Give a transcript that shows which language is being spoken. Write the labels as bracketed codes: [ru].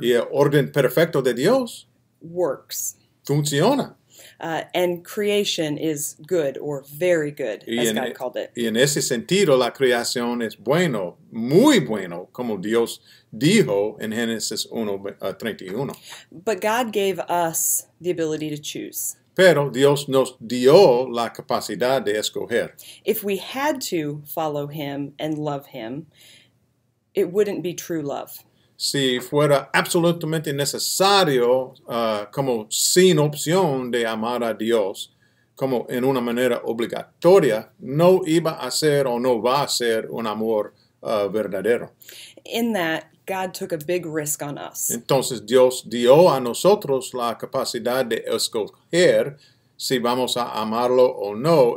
[es] Y el orden perfecto de Dios. [en] Works. [es] Funciona. [en] And creation is good or very good, as God called it. [es] Y en ese sentido, la creación es bueno, muy bueno, como Dios dijo en Génesis 1:31. [en] But God gave us the ability to choose. [es] Pero Dios nos dio la capacidad de escoger. [en] If we had to follow Him and love Him, it wouldn't be true love. [es] Si fuera absolutamente necesario, como sin opción de amar a Dios, como en una manera obligatoria, no iba a ser o no va a ser un amor verdadero. [en] In that, God took a big risk on us. [es] Entonces, Dios dio a nosotros la capacidad de escoger si vamos a amarlo o no.